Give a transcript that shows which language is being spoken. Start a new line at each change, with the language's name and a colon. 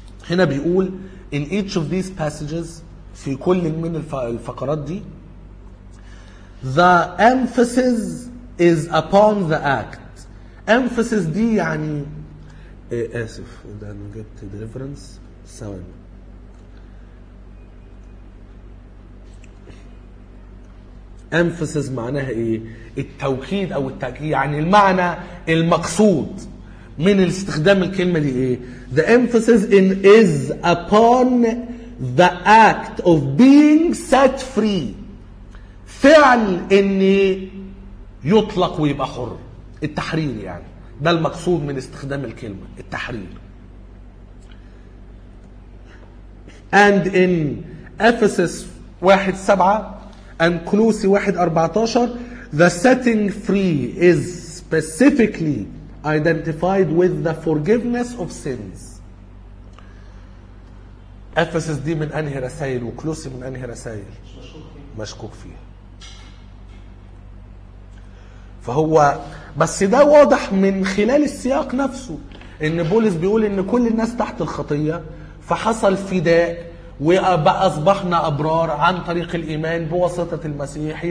Arabic: هنا بيقول
English: in each of these passages،
Arabic: في كل من الفقرات دي،
English: the emphasis is upon the act.
Arabic: emphasis دي يعني اسف ده انا جبت deliverance ثواني. emphasis معناها ايه؟ التوكيد او التأكيد، يعني المعنى المقصود من الاستخدام الكلمة دي ايه؟
English: the emphasis in is upon the act of being set free.
Arabic: فعل اني يطلق ويبقى حر. التحرير يعني ده المقصود من استخدام الكلمة التحرير.
English: And in Ephesus 1:7 and Colossians 1:14, the setting free is specifically identified with the forgiveness of sins.
Arabic: Ephesus دي من أنهي رسائل وكلوسي من أنهي رسائل؟ مشكوك فيها. فهو بس ده واضح من خلال السياق نفسه إن بولس بيقول إن كل الناس تحت الخطية فحصل فداء وبقى أصبحنا أبرار عن طريق الإيمان بواسطة المسيح.